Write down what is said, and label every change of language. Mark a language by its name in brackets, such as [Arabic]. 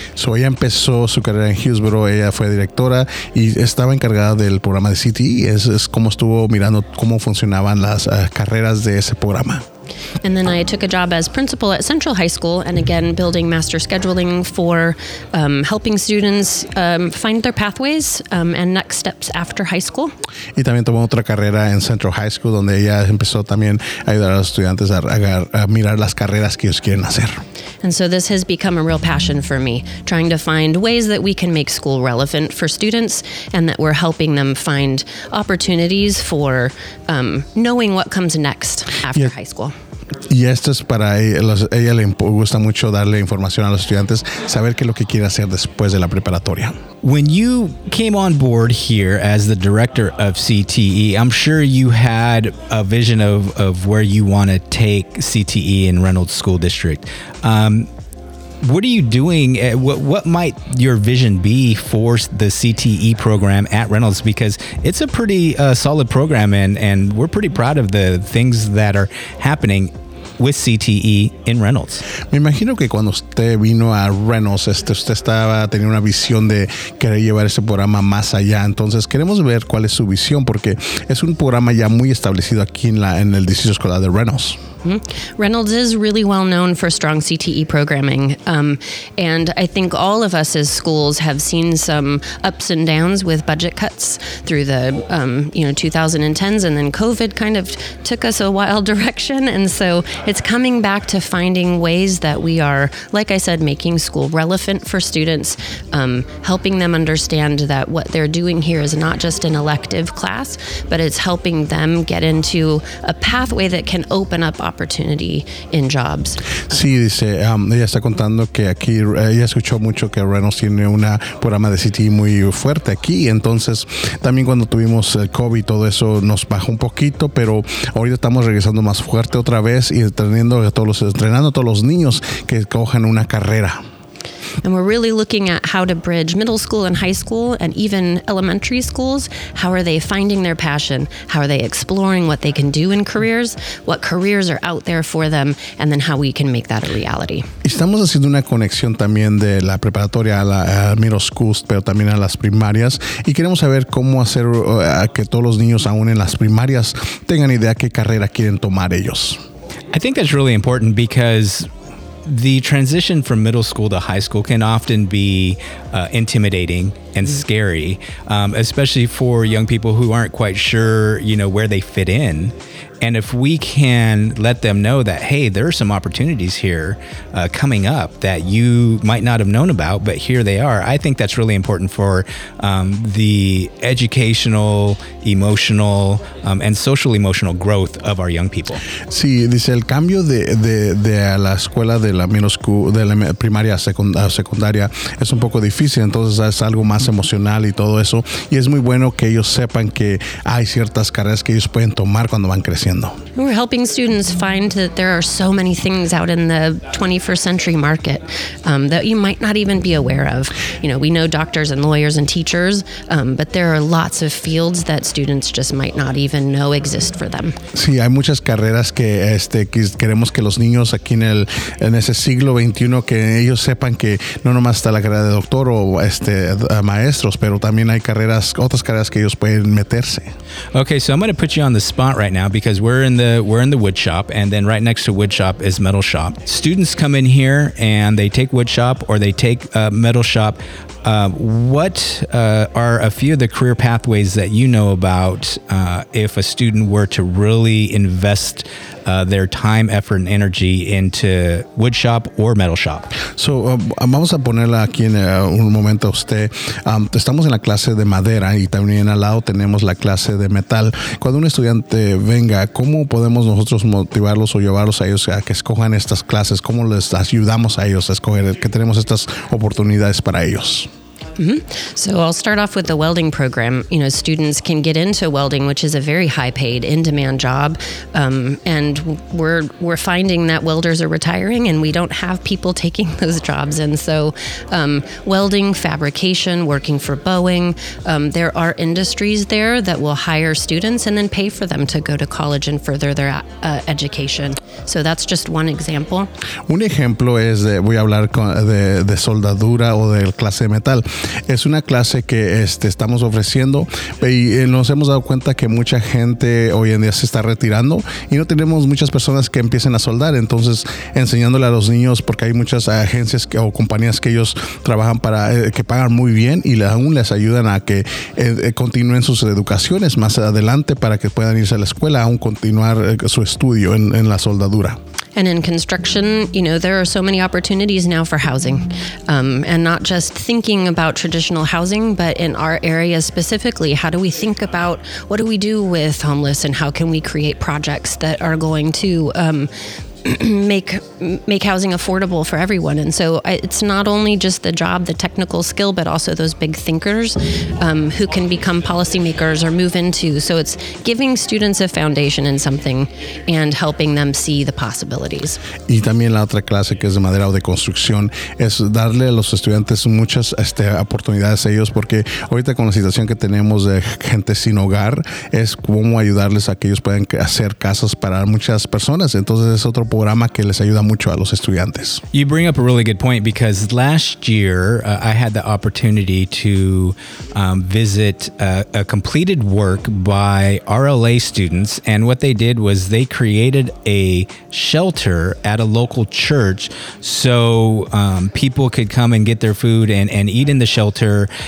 [Spanish] So ella empezó su carrera en Hillsborough, ella fue directora y estaba encargada del programa de CTE, es como estuvo mirando cómo funcionaban las carreras de ese programa. [English] And then I took a job as principal at Central High School, and again, building master scheduling for helping students find their pathways and next steps after high school. [Spanish] Y también tomó otra carrera en Central High School, donde ella empezó también a ayudar a los estudiantes a mirar las carreras que ellos quieren hacer. [English] And so this has become a real passion for me, trying to find ways that we can make school relevant for students and that we're helping them find opportunities for knowing what comes next after high school. [Spanish] Y esto es para ella le gusta mucho darle información a los estudiantes, saber qué es lo que quiere hacer después de la preparatoria. [English] When you came on board here as the director of CTE, I'm sure you had a vision of where you want to take CTE in Reynolds School District. What are you doing? What might your vision be for the CTE program at Reynolds? Because it's a pretty solid program, and we're pretty proud of the things that are happening with CTE in Reynolds. [Spanish] Me imagino que cuando usted vino a Reynolds, usted estaba teniendo una visión de querer llevar ese programa más allá. Entonces queremos ver cuál es su visión, porque es un programa ya muy establecido aquí en el Distrito Escolar de Reynolds. [English] Reynolds is really well known for strong CTE programming, and I think all of us as schools have seen some ups and downs with budget cuts through the 2010s, and then COVID kind of took us a wild direction, and so it's coming back to finding ways that we are, like I said, making school relevant for students, helping them understand that what they're doing here is not just an elective class, but it's helping them get into a pathway that can open up opportunity in jobs. [Spanish] Sí, dice, ella está contando que aquí, ella escuchó mucho que Reynolds tiene un programa de CTE muy fuerte aquí, entonces también cuando tuvimos el COVID todo eso nos bajó un poquito, pero ahorita estamos regresando más fuerte otra vez y entrenando a todos los niños que cojan una carrera. [English] And we're really looking at how to bridge middle school and high school and even elementary schools. How are they finding their passion? How are they exploring what they can do in careers? What careers are out there for them? And then how we can make that a reality. [Spanish] Estamos haciendo una conexión también de la preparatoria a la middle schools, pero también a las primarias. Y queremos saber cómo hacer que todos los niños aún en las primarias tengan idea qué carrera quieren tomar ellos. [English] I think that's really important because the transition from middle school to high school can often be intimidating and scary, especially for young people who aren't quite sure, you know, where they fit in. And if we can let them know that, hey, there are some opportunities here coming up that you might not have known about, but here they are, I think that's really important for the educational, emotional, and social emotional growth of our young people. [Spanish] Sí, dice el cambio de la escuela de la middle school, de la primaria a secundaria, es un poco difícil, entonces es algo más emocional y todo eso. Y es muy bueno que ellos sepan que hay ciertas carreras que ellos pueden tomar cuando van creciendo. [English] We're helping students find that there are so many things out in the 21st century market that you might not even be aware of. You know, we know doctors and lawyers and teachers, but there are lots of fields that students just might not even know exist for them. [Spanish] Sí, hay muchas carreras que queremos que los niños aquí en ese siglo 21 que ellos sepan que no nomás está la carrera de doctor o maestros, pero también hay otras carreras que ellos pueden meterse. [English] Okay, so I'm going to put you on the spot right now because we're in the wood shop, and then right next to wood shop is metal shop. Students come in here and they take wood shop or they take metal shop. What are a few of the career pathways that you know about if a student were to really invest their time, effort, and energy into wood shop or metal shop? [Spanish] So, vamos a ponerla aquí en un momento a usted. Estamos en la clase de madera y también al lado tenemos la clase de metal. Cuando un estudiante venga, ¿cómo podemos nosotros motivarlos o llevarlos a ellos a que escojan estas clases? ¿Cómo les ayudamos a ellos a escoger que tenemos estas oportunidades para ellos? Mm-hmm. [English] So I'll start off with the welding program. You know, students can get into welding, which is a very high paid, in demand job. And we're finding that welders are retiring and we don't have people taking those jobs. And so welding, fabrication, working for Boeing, there are industries there that will hire students and then pay for them to go to college and further their education. So that's just one example. [Spanish] Un ejemplo es, voy a hablar de soldadura o de clase de metal. Es una clase que estamos ofreciendo y nos hemos dado cuenta que mucha gente hoy en día se está retirando y no tenemos muchas personas que empiecen a soldar. Entonces, enseñándole a los niños, porque hay muchas agencias o compañías que ellos trabajan para, que pagan muy bien y aún les ayudan a que continúen sus educaciones más adelante para que puedan irse a la escuela, aún continuar su estudio en la soldadura. [English] And in construction, you know, there are so many opportunities now for housing. And not just thinking about traditional housing, but in our area specifically, how do we think about what do we do with homeless and how can we create projects that are going to make housing affordable for everyone? And so it's not only just the job, the technical skill, but also those big thinkers who can become policymakers or move into. So it's giving students a foundation in something and helping them see the possibilities. [Spanish] Y también la otra clase que es de madera o de construcción es darle a los estudiantes muchas oportunidades a ellos, porque ahorita con la situación que tenemos de gente sin hogar es cómo ayudarles a que ellos puedan hacer casas para muchas personas. Entonces es otro programa que les ayuda mucho a los estudiantes. [English] You bring up a really good point because last year I had the opportunity to visit a completed work by RLA students, and what they did was they created a shelter at a local church so people could come and get their food and eat in the shelter.